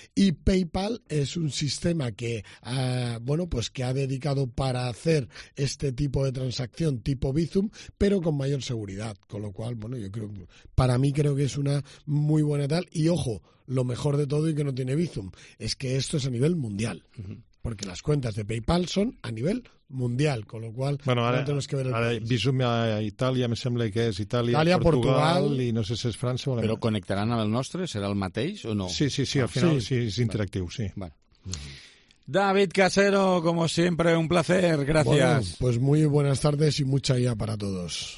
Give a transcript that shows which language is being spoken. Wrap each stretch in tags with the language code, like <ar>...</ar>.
<es>Y PayPal es un sistema que, bueno, pues que ha dedicado para hacer este tipo de transacción tipo Bizum, pero con mayor seguridad. Con lo cual, bueno, yo creo, para mí creo que es una muy buena tal. Y ojo, lo mejor de todo y que no tiene Bizum, es que esto es a nivel mundial. Uh-huh. Porque las cuentas de PayPal son a nivel mundial, con lo cual bueno, ahora tenemos que ver el país.</es> <ca>Bizum a Itàlia, me sembla que és Itàlia, Portugal, i no sé si és França. Però connectaran al nostre? Serà el mateix o no? Sí, al final sí, és interactiu, sí.</ca> <es>Vale. David Casero, como siempre, un placer, gracias. Bueno, pues muy buenas tardes y mucha guía para todos.</es>